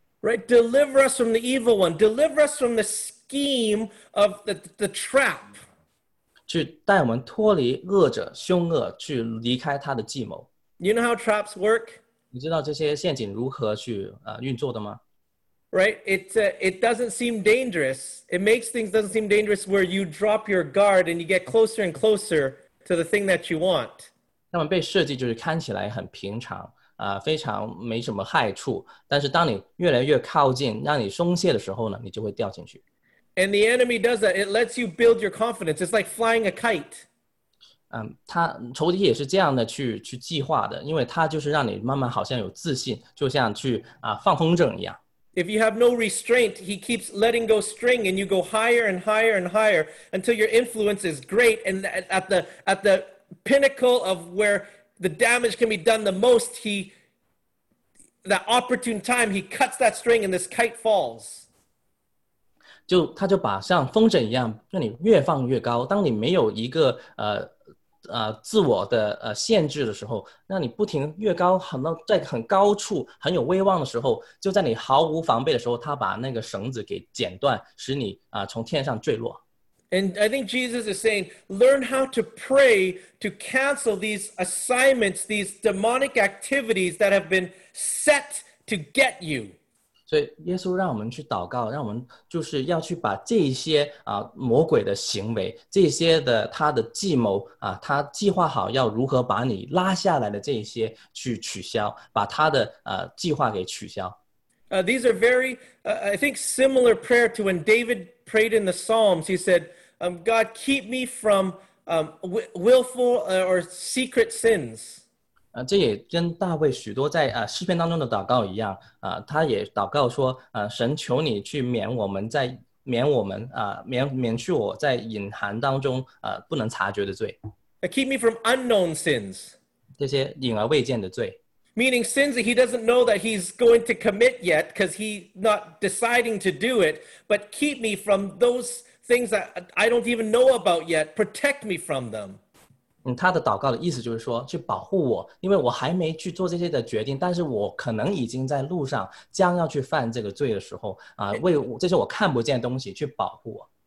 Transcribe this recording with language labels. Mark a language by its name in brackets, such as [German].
[English] Right, deliver us from the evil one. Deliver us from the scheme of the trap. [Chinese] 去带我们脱离恶者凶恶，去离开他的计谋。 [English] You know how traps work? [Chinese] 你知道这些陷阱如何去运作的吗 [English] ？Right, it doesn't seem dangerous. It makes things doesn't seem dangerous where you drop your guard and you get closer and closer to the thing that you want. [Chinese] 他们被设计就是看起来很平常非常没什么害处。但是当你越来越靠近，让你松懈的时候呢，你就会掉进去。 [English] And the enemy does that. It lets you build your confidence. It's like flying a kite. [Chinese] 仇敌也是这样的去计划的，因为他就是让你慢慢好像有自信，就像去放风筝一样。 [English] If you have no restraint, he keeps letting go string, and you go higher and higher and higher until your influence is great. And at the pinnacle of where the damage can be done the most, that opportune time, he cuts that string, and this kite falls. [Chinese] 他就把像风筝一样让你越放越高，当你没有一个自我的限制的时候，让你不停越高，很到在很高处很有威望的时候，就在你毫无防备的时候，他把那个绳子给剪断，使你从天上坠落。 [English] And I think Jesus is saying, learn how to pray to cancel these assignments, these demonic activities that have been set to get you. [Chinese] 所以耶稣让我们去祷告，让我们就是要去把这些魔鬼的行为，这些的他的计谋他计划好要如何把你拉下来的这些去取消，把他的计划给取消。 [English] These are very, I think, similar prayer to when David prayed in the Psalms. He said, God, keep me from willful or secret sins. [Chinese] 这也跟大卫许多在诗篇当中的祷告一样他也祷告说神求你去免去我在隐含当中不能察觉的罪。 [English] Keep me from unknown sins. [Chinese] 这些隐而未见的罪。 [English] Meaning sins that he doesn't know that he's going to commit yet because he's not deciding to do it, but keep me from those things that I don't even know about yet. Protect me from them. [Chinese] 他的祷告的意思就是说去保护我，因为我还没去做这些的决定，但是我可能已经在路上将要去犯这个罪的时候为这些我看不见的东西去保护我。